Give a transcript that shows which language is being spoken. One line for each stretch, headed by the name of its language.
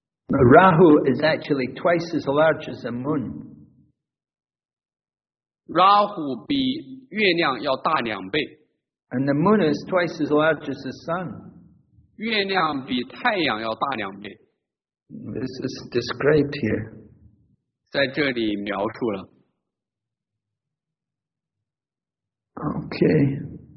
English: Rahu is actually twice as large as the moon.
Chinese: Rahu 比月亮要大两倍。
English: And the moon is twice as large as the sun.
Chinese: 月亮比太阳要大两倍。
English: This is described here.
Chinese: 在这里描述了。
English: Okay.